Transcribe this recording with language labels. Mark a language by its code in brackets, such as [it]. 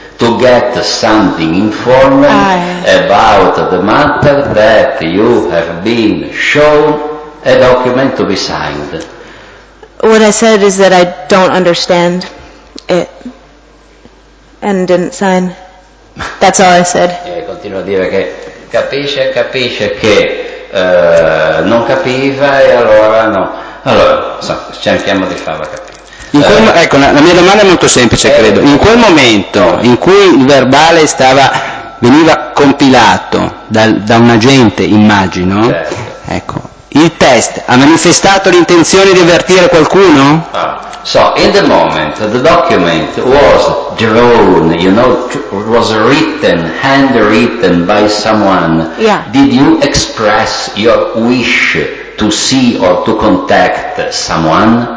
[en] To get something informed about the matter that you have been shown a document to be signed. What I said is that I don't understand it and didn't sign. That's all I said. [it] Continuo a dire che capisce che non capiva e allora no. Allora, cerchiamo di farla capire. La mia domanda è molto semplice, credo. In quel momento in cui il verbale veniva compilato da un agente, immagino, ecco, il test ha manifestato l'intenzione di avvertire qualcuno? [en] So, in the moment, the document was drawn, you know, was written, handwritten by someone. Yeah. Did you express your wish to see or to contact someone?